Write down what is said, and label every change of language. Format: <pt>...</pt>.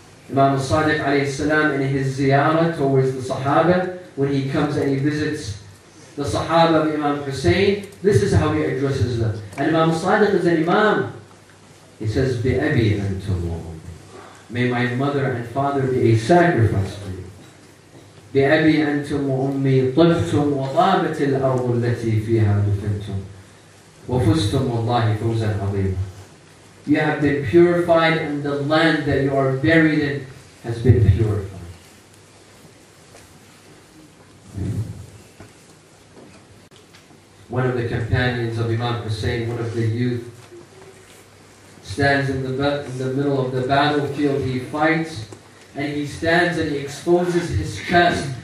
<en>Imam al-Sadiq alayhi salam, in his ziyarah towards the Sahaba, when he comes and he visits the Sahaba of Imam Hussein, this is how he addresses them. And Imam al-Sadiq is an imam. He says,</en> <ar>"Bi abi antum wa ummi."</ar> <en>May my mother and father be a sacrifice for you.</en> <ar>بأبي أنتم وأمي طفتم وطابت الأرض التي فيها دفنتم وفزتم والله فوزا عظيما.</ar> <en>You have been purified and the land that you are buried in has been purified. One of the companions of Imam Hussein, one of the youth, stands in the middle of the battlefield, he fights, and he stands and he exposes his chest.</en>